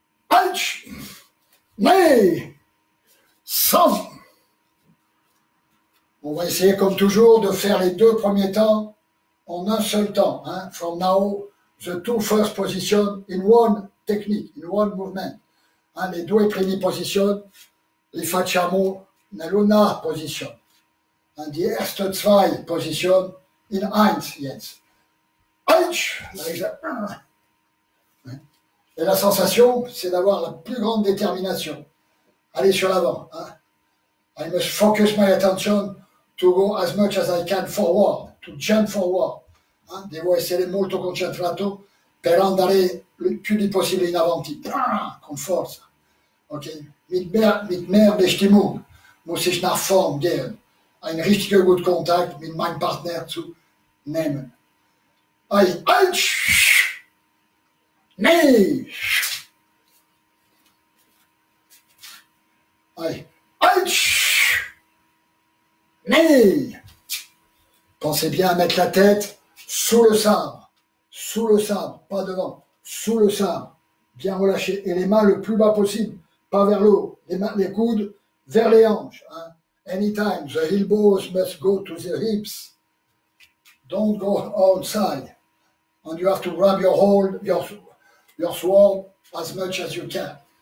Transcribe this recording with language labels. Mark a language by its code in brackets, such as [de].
[fr] Aïch, ni, son. On va essayer, comme toujours, de faire les deux premiers temps en un seul temps, hein, [en] from now. The two first position in one technique, in one movement. [fr] Hein, les deux premiers positions, les [it] facciamo nella [fr] position. [en] And the [de] erste zwei position in eins jetzt. Eins! Et la sensation, c'est d'avoir la plus grande détermination. [fr] Aller sur l'avant. [en] Hein. I must focus my attention to go as much as I can forward, to jump forward. [it] Hein, devo essere molto concentrato per andare il più di possibile in avanti. Con forza. Ok? [de] Mit mehr Bestimmung muss ich nach vorn gehen. Ein richtiger guter Kontakt mit meinem Partner zu nehmen. Ai, ai, nee. Ai, ai, nee. [fr] Pensez bien à mettre la tête sous le sabre, pas devant, sous le sabre, bien relâché, et les mains le plus bas possible, pas vers le haut, les mains, les coudes vers les hanches, hein. [en] Anytime, the elbows must go to the hips, don't go outside, and you have to grab your hold, your sword as much as you can.